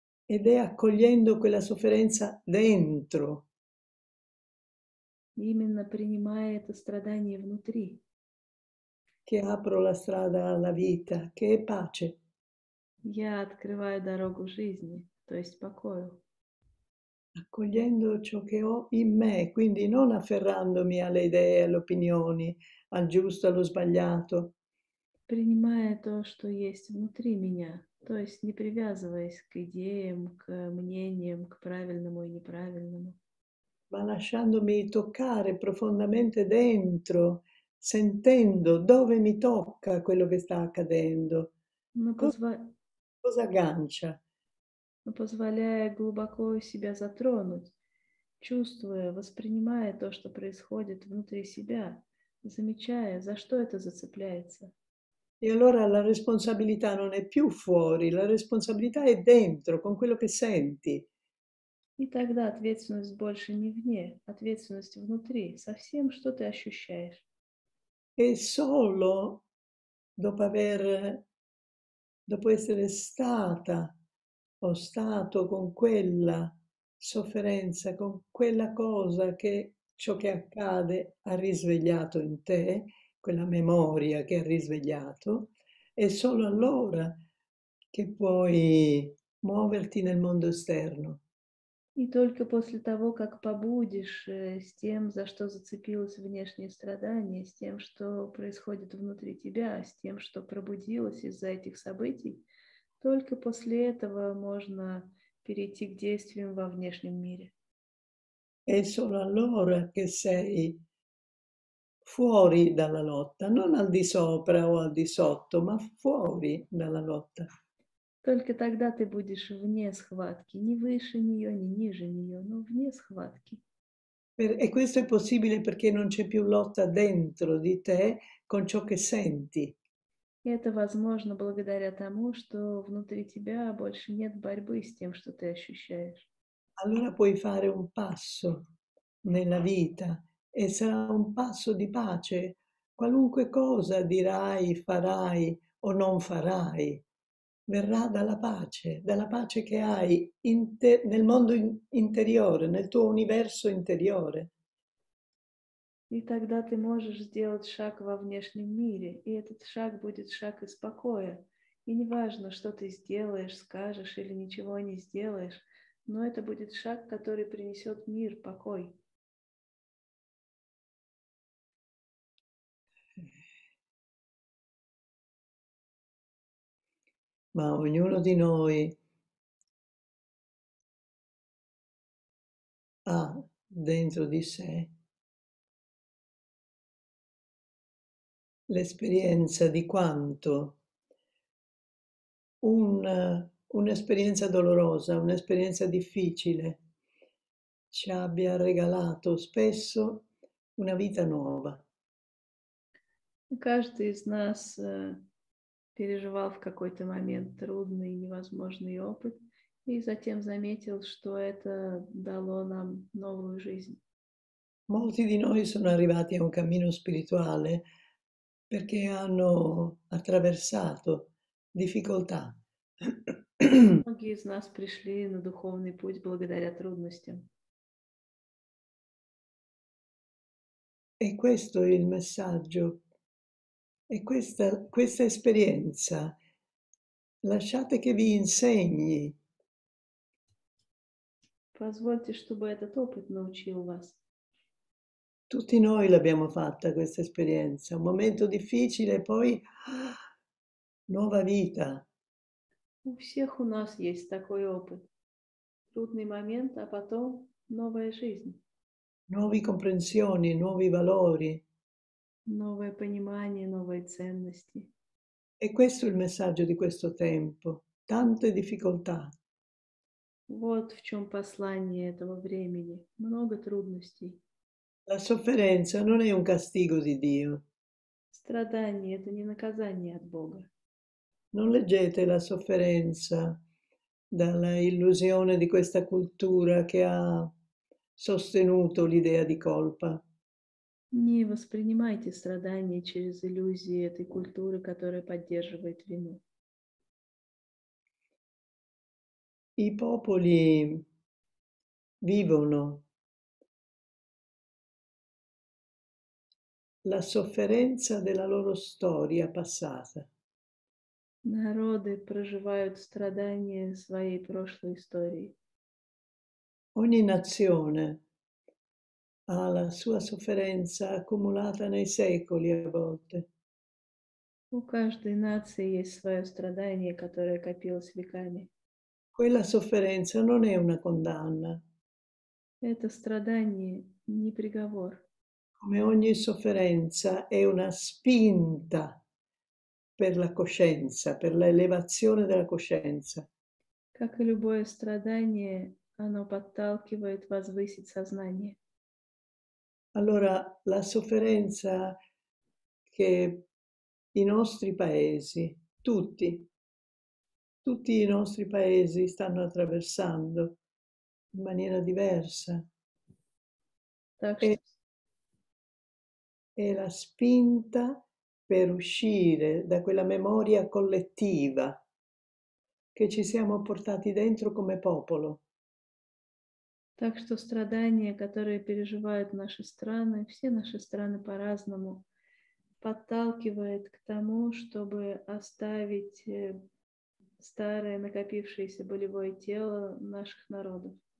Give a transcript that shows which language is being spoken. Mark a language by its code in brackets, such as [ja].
[it] Ed è accogliendo quella sofferenza dentro. [ru] Именно принимая это страдание внутри. [it] Che apro la strada alla vita, che è pace. [ru] Я открываю дорогу жизни, то есть покою. [it] Accogliendo ciò che ho in me, quindi non afferrandomi alle idee, alle opinioni, al giusto, allo sbagliato. [ru] Принимая то, что есть внутри меня, то есть не привязываясь к идеям, к мнениям, к правильному и неправильному. [it] Ma lasciandomi toccare profondamente dentro, sentendo dove mi tocca quello che sta accadendo. Cosa aggancia? [ru] Но позволяя глубоко себя затронуть, чувствуя, воспринимая то, что происходит внутри себя, замечая, за что это зацепляется. [it] E allora la responsabilità non è più fuori, la responsabilità è dentro, con quello che senti. [ru] И тогда ответственность больше не вне, ответственность внутри, со всем, что ты ощущаешь. [it] E solo dopo essere stata o stato con quella sofferenza, con quella cosa che ciò che accade ha risvegliato in te, quella memoria che ha risvegliato, è solo allora che puoi muoverti nel mondo esterno. [ru] И только после того, как побудешь с тем, за что зацепилось внешнее страдание, с тем, что происходит внутри тебя, с тем, что пробудилось из-за этих событий, только после этого можно перейти к действиям во внешнем мире. [it] È solo allora che sei fuori dalla lotta, non al di sopra o al di sotto, ma fuori dalla lotta. [ru] Только тогда ты будешь вне схватки, ни выше нее, ни ниже нее, но вне схватки. [it] E questo è possibile perché non c'è più lotta dentro di te con ciò che senti. [ru] Это возможно благодаря тому, что внутри тебя больше нет борьбы с тем, что ты ощущаешь. [it] Allora puoi fare un passo nella vita e sarà un passo di pace. Qualunque cosa dirai, farai o non farai, verrà dalla pace che hai nel mondo interiore, nel tuo universo interiore. [ru] И тогда ты можешь сделать шаг во внешнем мире, и этот шаг будет шаг из покоя. И неважно, что ты сделаешь, скажешь или ничего не сделаешь, но это будет шаг, который принесет мир, покой. [it] Ma ognuno di noi ha dentro di sé l'esperienza di quanto un'esperienza dolorosa, un'esperienza difficile ci abbia regalato spesso una vita nuova. [ru] Каждый из нас переживал в какой-то момент трудный, невозможный опыт, и затем заметил, что это дало нам новую жизнь. [it] Molti di noi sono arrivati a un cammino spirituale perché hanno attraversato difficoltà. [ru] Многие из нас пришли на духовный путь благодаря трудностям. [it] E questo è il messaggio. E questa esperienza, lasciate che vi insegni. [ru] Позвольте, чтобы этот опыт научил вас. [it] Tutti noi l'abbiamo fatta questa esperienza, un momento difficile, poi nuova vita. [ru] У всех у нас есть такой опыт. Трудный момент, а потом новая жизнь. [it] Нуove comprensioni, nuovi valori. E [ru] Новое понимание, новые ценности. [it] questo è il messaggio di questo tempo, tante difficoltà. [ru] Вот в чем послание этого времени. Много трудностей. [it] La sofferenza non è un castigo di Dio. [ru] Страдание – это не наказание от Бога. [it] Non leggete la sofferenza dalla illusione di questa cultura che ha sostenuto l'idea di colpa. [ru] Не воспринимайте страдания через иллюзии этой культуры, которая поддерживает вину. [it] I popoli vivono la sofferenza della loro storia passata. [ru] Народы проживают страдания своей прошлой истории. [it] Ogni nazione ha la sua sofferenza accumulata nei secoli a volte. [ru] У каждой нации есть свое страдание, которое копилось веками. [it] Quella sofferenza non è una condanna. [ru] Это страдание не приговор. [it] Come ogni sofferenza è una spinta per la coscienza, per l'elevazione della coscienza. [ru] Как и любое страдание, оно подталкивает возвысить сознание. [it] Allora, la sofferenza che i нostri paesi, tutti i nostri paesi stanno attraversando in maniera diversa. [ru] Так что [it] È la spinta per uscire da quella memoria collettiva che ci siamo portati dentro come popolo. [ru] Так что страдания, которые переживают наши страны, все наши страны по-разному, подталкивает к тому, чтобы оставить старое накопившееся болевое тело наших народов.